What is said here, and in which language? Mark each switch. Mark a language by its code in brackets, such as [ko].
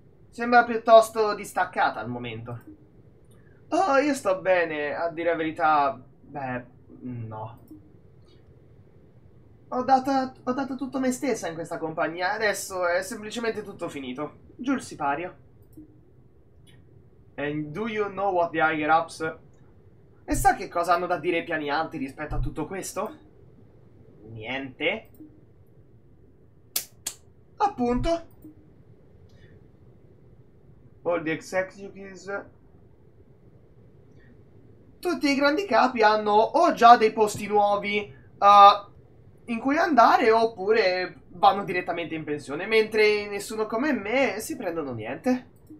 [it] Sembra piuttosto distaccata al momento. Oh, io sto bene, a dire la verità, no. Ho dato tutto me stessa in questa compagnia, adesso è semplicemente tutto finito. Giù il sipario. [en] And do you know what the higher-ups... [it] E sa che cosa hanno da dire i piani alti rispetto a tutto questo? Niente. Appunto. [en] All the executives... [it] Tutti i grandi capi hanno o già dei posti nuovi in cui andare, oppure vanno direttamente in pensione, mentre nessuno come me si prendono niente.